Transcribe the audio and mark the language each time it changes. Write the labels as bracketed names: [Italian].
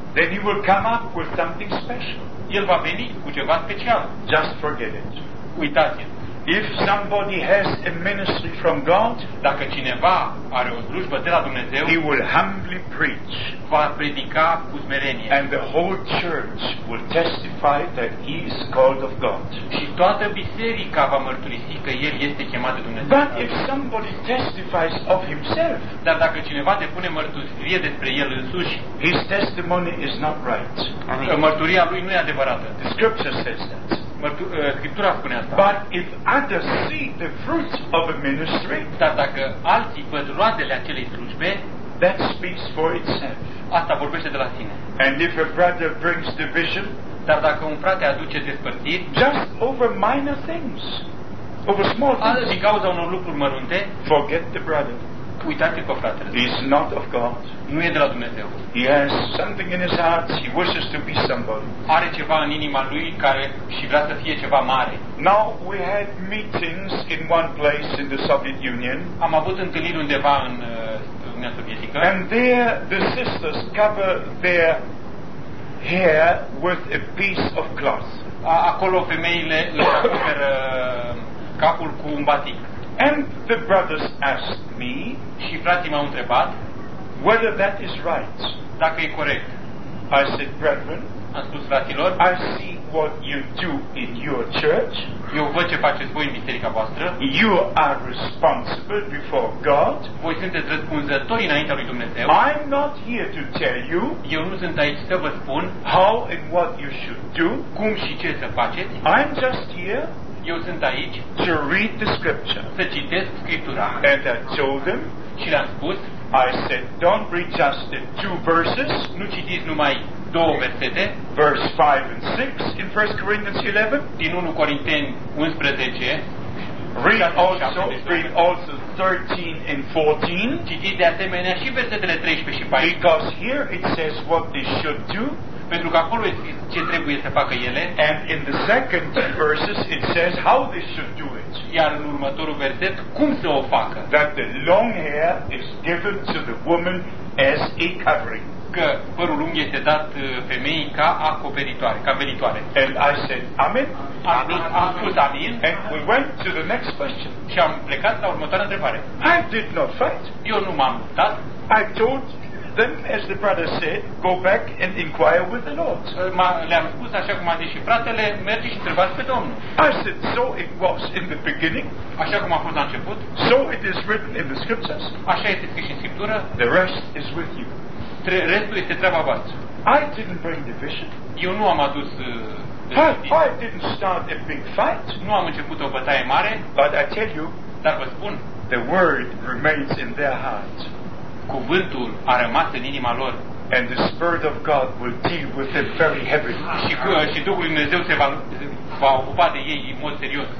[English] then he will come up with something special. [Romanian] El va veni cu ceva special. [English] Just forget it. [Romanian] Uitați-l. [English] If somebody has a ministry from God, [Romanian] dacă cineva are o slujbă de la Dumnezeu, [English] he will humbly preach, [Romanian] va predica cu smerenie, [English] and the whole church will testify that he is called of God. [Romanian] Și toată biserica va mărturisi că el este chemat de Dumnezeu. [English] But if somebody testifies of himself, [Romanian] dar dacă cineva depune mărturie despre el însuși, [English] his testimony is not right. [Romanian] Mărturia lui nu e adevărată. [English] The scripture says that. [Romanian] Scriptura spune asta. [English] But if others see the fruits of a ministry, [Romanian] dar dacă alții văd roadele acelei slujbe, [English] that speaks for itself. [Romanian] Asta vorbește de la sine. [English] And if a brother brings division, [Romanian] dar dacă un frate aduce despărțiri, [English] just over minor things, over small things, [Romanian] din cauza unor lucruri mărunte, [English] forget the brother. [Romanian] Uitați-l pe fratele. [English] He is not of God. [Romanian] Nu e de la Dumnezeu. [English] He has something in his heart. He wishes to be somebody. [Romanian] Are ceva în inima lui care și vrea să fie ceva mare. [English] Now we had meetings in one place in the Soviet Union. [Romanian] Am avut întâlniri undeva în Uniunea Sovietică. [English] And there the sisters cover their hair with a piece of cloth. [Romanian] Acolo femeile acoperă capul cu un batic. [English] And the brothers asked me, [Romanian] și frații m-au întrebat, [English] whether that is right. [Romanian] Dacă e corect. [English] I said, brethren, [Romanian] am spus fraților, [English] I see what you do in your church. [Romanian] Eu văd ce faceți voi în biserica voastră. [English] You are responsible before God. [Romanian] Voi sunteți răspunzători înaintea lui Dumnezeu. [English] I'm not here to tell you. [Romanian] Eu nu sunt aici să vă spun [English] how and what you should do. [Romanian] Cum și ce să faceți. [English] I'm just here. [Romanian] Eu sunt aici [English] to read the scripture. [Romanian] Să citesc scriptura. [English] And I told them. [Romanian] Și le-am spus. [English] I said, don't read just the two verses. [Romanian] Nu citiți numai două versete. [English] Verse 5 and 6 in 1 Corinthians 11. [Romanian] Din 1 Corinteni 11. [English] Read also 13 and 14. [Romanian] Citiți de asemenea și versetele 13 și 14. [English] Because here it says what they should do. [Romanian] Pentru că acolo este ce trebuie să facă ele. [English] And in the second two verses it says how they should do it. [Romanian] Iar în următorul verset cum să o facă. [English] That the long hair is given to the woman as a covering. [Romanian] Că părul lung este dat femeii ca acoperitoare, ca veritoare. [English] And I said, amen. [Romanian] Am spus amin. [English] And we went to the next question. [Romanian] Și am plecat la următoarea întrebare. [English] I did not fight. [Romanian] Eu nu m-am luptat. [English] I told them, as the brother said, go back and inquire with the Lord. [Romanian] Le-am spus așa cum a zis și fratele, mergi și întrebați pe Domnul. [English] I said, so it was in the beginning. [Romanian] Așa cum a fost la început. [English] So it is written in the scriptures. [Romanian] Așa este scris în scriptură. [English] The rest is with you. [Romanian] Restul este treaba voastră. [English] I didn't bring the vision. [Romanian] Eu nu am adus [English] I didn't start a big fight. [Romanian] Nu am început o bătaie mare. [English] But I tell you, [Romanian] dar vă spun, [English] the word remains in their hearts. [Romanian] Cuvântul a rămas în inima lor. [English] And the Spirit of God will deal with them very heavily. [Romanian] Și Duhul lui Dumnezeu se va ocupa de ei în mod serios.